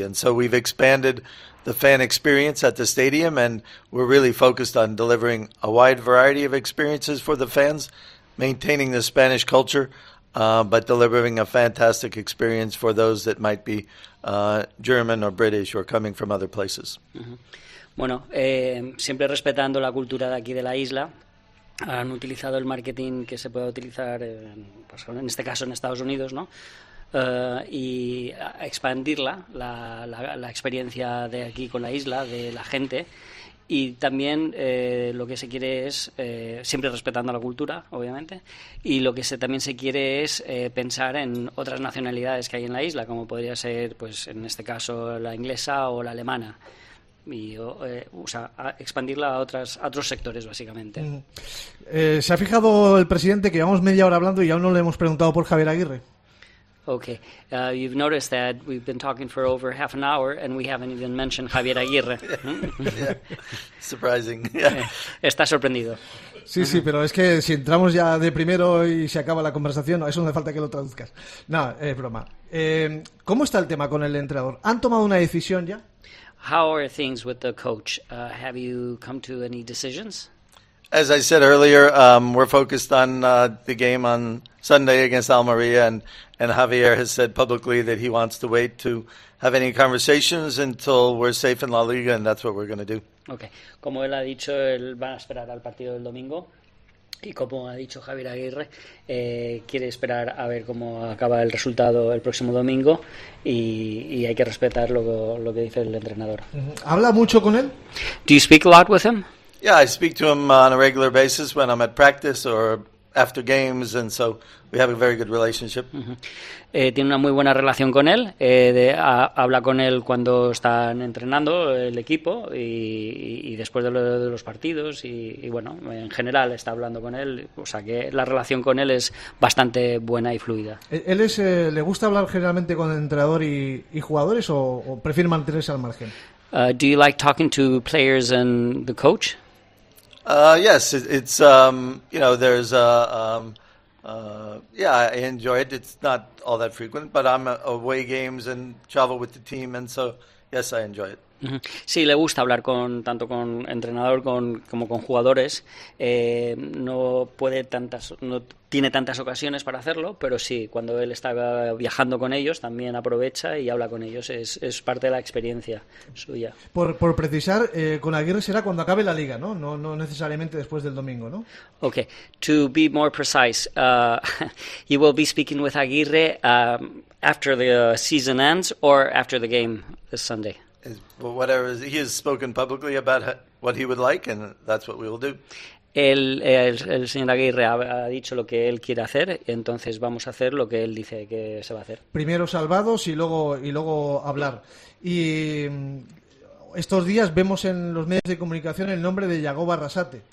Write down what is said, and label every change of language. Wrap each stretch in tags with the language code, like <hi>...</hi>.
<en>And so we've expanded the fan experience at the stadium, and we're really focused on delivering a wide variety of experiences for the fans, maintaining the Spanish culture, but delivering a fantastic experience for those that might be German or British or coming from other places. Mm-hmm.</en> <es>Bueno, siempre respetando la cultura de aquí de la isla, han utilizado el marketing que se puede utilizar en este caso en Estados Unidos, ¿no? Y expandirla la experiencia de aquí con la isla, de la gente, y también lo que se quiere es siempre respetando la cultura, obviamente, y lo que también se quiere es pensar en otras nacionalidades que hay en la isla, como podría ser, pues en este caso, la inglesa o la alemana. A expandirla a otros sectores, básicamente. ¿Se ha fijado el presidente que llevamos media hora hablando y aún no le hemos preguntado por Javier Aguirre?</es> <en>Okay, you've noticed that we've been talking for over half an hour and we haven't even mentioned Javier Aguirre. Yeah. Surprising. Yeah.</en> <es>Está sorprendido. Sí, sí, pero es que si entramos ya de primero y se acaba la conversación, no, eso no hace falta que lo traduzcas. No, es broma. ¿Cómo está el tema con el entrenador? ¿Han tomado una decisión ya?</es> <en>How are things with the coach? Have you come to any decisions? As I said earlier, we're focused on the game on Sunday against Almeria, and Javier has said publicly that he wants to wait to have any conversations until we're safe in La Liga, and that's what we're going to do. Okay.</en> <es>Como él ha dicho, él va a esperar al partido del domingo. Y como ha dicho Javier Aguirre, quiere esperar a ver cómo acaba el resultado el próximo domingo y hay que respetar lo que dice el entrenador. ¿Habla mucho con él?</es> <en>Do you speak a lot with him? Yeah, I speak to him on a regular basis when I'm at practice or after games, and so we have a very good relationship.</en> <es>Uh-huh. Tiene una muy buena relación con él. Habla con él cuando están entrenando el equipo y después de los partidos y bueno, en general está hablando con él. O sea que la relación con él es bastante buena y fluida. ¿Él es, le gusta hablar generalmente con el entrenador y jugadores o prefiere mantenerse al margen?</es> <en>Do you like talking to players and the coach? Yes, it's you know, there's I enjoy it. It's not all that frequent, but I'm away games and travel with the team, and so yes, I enjoy it. Mm-hmm.</en> <es>Sí, le gusta hablar con tanto con entrenador como con jugadores. No tiene tantas ocasiones para hacerlo, pero sí, cuando él está viajando con ellos, también aprovecha y habla con ellos. Es parte de la experiencia suya. Por precisar, con Aguirre será cuando acabe la liga, ¿no? No necesariamente después del domingo, ¿no?</es> <en>Okay. To be more precise, you will be speaking with Aguirre after the season ends or after the game this Sunday. Whatever he has spoken publicly about what he would like, and that's what we will do.</en> <es>El señor Aguirre ha dicho lo que él quiere hacer, entonces vamos a hacer lo que él dice que se va a hacer. Primero salvados y luego hablar. Y estos días vemos en los medios de comunicación el nombre de Yagoba Arrasate.</es>